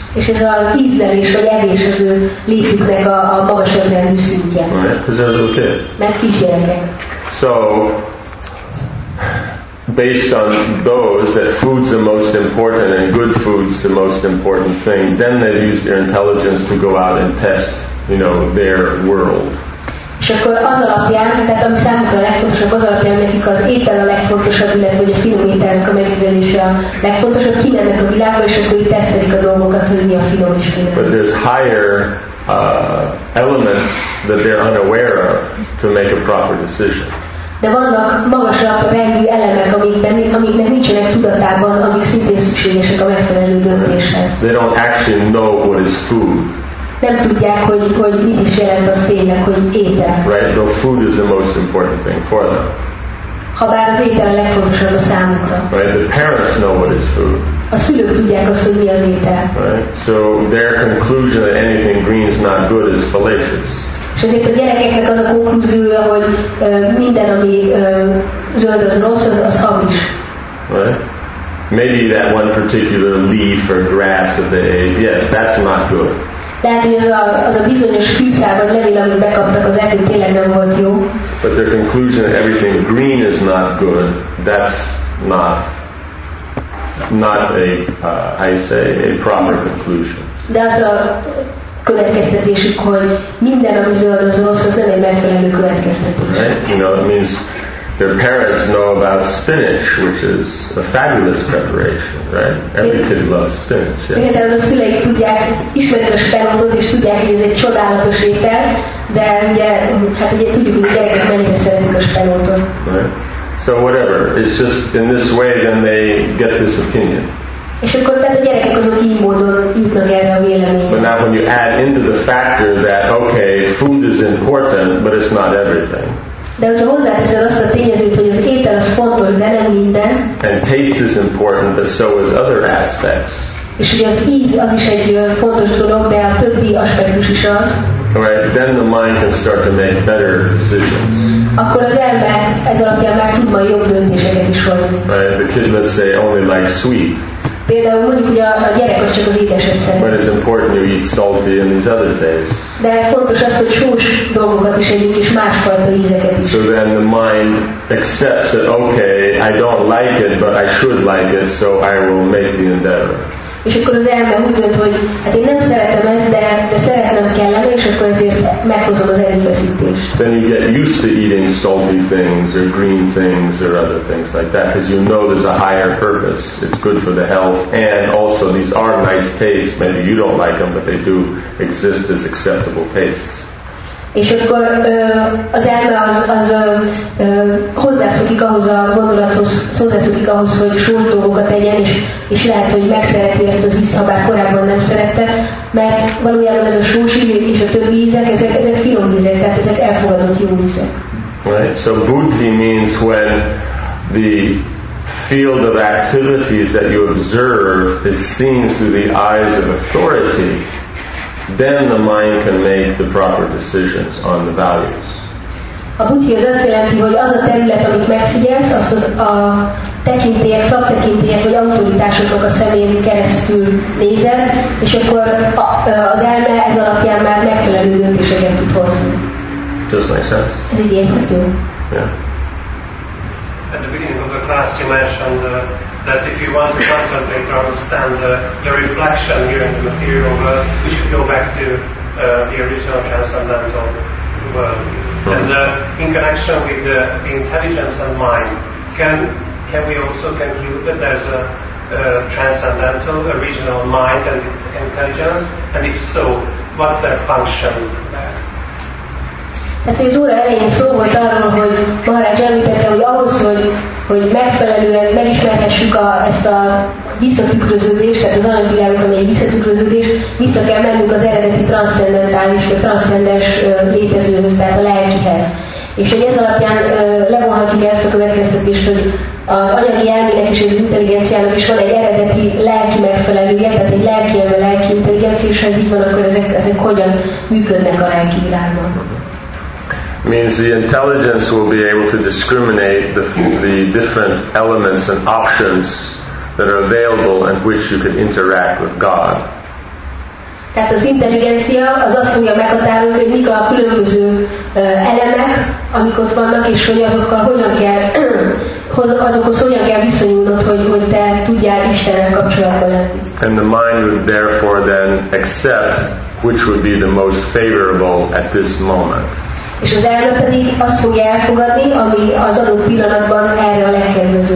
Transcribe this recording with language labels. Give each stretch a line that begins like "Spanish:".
Hungarian: És ez az ízlelés vagy evés az ő létüknek a magasabb rendű szintje.
English: Right. Because they're little kids.
Hungarian: Mert kisgyerekek.
English: So based on those, that food's the most important and good food's the most important thing, then they've used their intelligence to go out and test, you know, their world.
Hungarian: És akkor az alapján, tehát ami számukra a legfontosabb, az alapján nekik az étel a legfontosabb, illetve a finom ételnek a megfizelése a legfontosabb, kimennek a világba, és akkor itt tesztelik a dolgokat, hogy mi a finom is.
English: But there's higher elements that they're unaware of to make a proper decision.
Hungarian: De vannak magasabb rendű elemek, amiknek nincsenek tudatában, amik szintén szükségesek a megfelelő döntéshez.
English: They don't actually know what is food.
Hungarian: Nem tudják, hogy mit is jelent a szénnek, hogy étel.
English: Right, so food is the most important thing for them.
Hungarian: Habár az étel a legfontosabb a számukra.
English: Right, the parents know what is food.
Hungarian: A szülők tudják azt, hogy mi az étel.
English: Right, so their conclusion that anything green is not good is fallacious.
Hungarian: És ezért a gyerekeknek az a konklúziója, hogy minden, ami zöld az rossz, az hamis.
English: Right. Maybe that one particular leaf or grass of the egg, yes, that's not good.
Hungarian: Tehát, hogy az a bizonyos fűszában levél, amit bekaptak, az eddig tényleg nem volt jó.
English: But their conclusion that everything green is not good, that's not a proper conclusion.
Hungarian: De az a következtetésük, hogy minden, ami zöld az rossz, az nem egy megfelelő következtetés.
English: Right? You know, it means their parents know about spinach, which is a fabulous preparation, right? Every kid loves spinach. Yeah.
Hungarian: Például a szüleik tudják, ismerik a spenótot, és tudják, hogy ez egy csodálatos étel, de ugye tudjuk, hogy gyerekek mennyire szeretik a spenótot.
English: So whatever, it's just in this way then they get this opinion.
Hungarian: És akkor tehát a gyerekek azok így módon jutnak erre a véleményre.
English: But now when you add into the factor that, okay, food is important, but it's not everything.
Hungarian: De hogyha hozzáteszel azt a tényezőt, hogy az étel az fontos, de nem minden.
English: And taste is important, but so is other aspects.
Hungarian: És ugye az íz az is egy fontos dolog, de a többi aspektus is az.
English: Alright, then the mind can start to make better decisions.
Hungarian: Akkor az elme ez alapján már tud majd jobb döntéseket is hozni.
English: Alright, the kid, let's say, only likes sweet.
Hungarian: Például mondjuk, hogy a gyerek az csak az édeset szeret.
English: But it's important you eat salty in these other days.
Hungarian: De fontos az, hogy sós dolgokat is együnk, és másfajta ízeket is.
English: So then the mind accepts that, okay, I don't like it, but I should like it, so I will make the endeavor.
Hungarian: És akkor az elme úgy dönt, hogy hát én nem szeretem ezt, de szeretnem kellene, és akkor ezért meghozom az erőfeszítést.
English: Then you get used to eating salty things, or green things, or other things like that, because you know there's a higher purpose. It's good for the health, and also these are nice tastes. Maybe you don't like them, but they do exist as acceptable tastes.
Hungarian: És akkor az elme hozzászokik ahhoz a gondolathoz, hozzászokik ahhoz, hogy sós dolgokat tegyen, és lehet, hogy megszereti ezt az ízt, ha bár korábban nem szerette, mert valójában ez a sós ízek és a többi ízek, ezek finom ízek, tehát ezek elfogadott jó ízek.
English: Right, so buddhi means when the field of activities that you observe is seen through the eyes of authority, then the mind can make the proper decisions on the values.
Hungarian: A buddhi az azt jelenti, hogy az a terület, amit megfigyelsz, azt az a tekintélyek, szaktekintélyek vagy autoritásoknak a szemén keresztül nézed, és akkor az elme ez alapján már megfelelő döntéseket tud hozni.
English: Does make sense?
Hungarian: Ez így érthető.
English: Yeah. At the beginning of the class you mentioned that if you want to contemplate or understand the reflection here in the material world, we should go back to the original transcendental world. Mm-hmm. And in connection with the intelligence and mind, can we also conclude that there's a transcendental, original mind and intelligence? And if so, what's their function there?
Hungarian: Hát, hogy az óra elején szó volt arról, hogy Maharaj említette, hogy ahhoz, hogy megfelelően megismerhessük ezt a visszatükröződést, tehát az anyagvilágot, ami egy visszatükröződés, vissza kell mennünk az eredeti transzcendentális, vagy transzcendens létezőhöz, tehát a lelkihez. És hogy ez alapján levonhatjuk ezt a következtetést, hogy az anyagi elmének és az intelligenciának is van egy eredeti lelki megfelelője, tehát egy lelki elme, lelki intelligencia, és ha ez így van, akkor ezek hogyan működnek a lelki világban.
English: Means the intelligence will be able to discriminate the different elements and options that are available and which you can interact with God.
Hungarian: Tehát az intelligencia az azt fogja meghatározni, hogy mik a különböző elemek, amik ott vannak, és hogy azokkal hogyan kell, azokhoz hogyan kell viszonyulnod, hogy te tudjál Istennel kapcsolatban lenni.
English: And the mind would therefore then accept which would be the most favorable at this moment.
Hungarian: És az elme pedig azt fogja elfogadni, ami az adott pillanatban erre a legkedvező.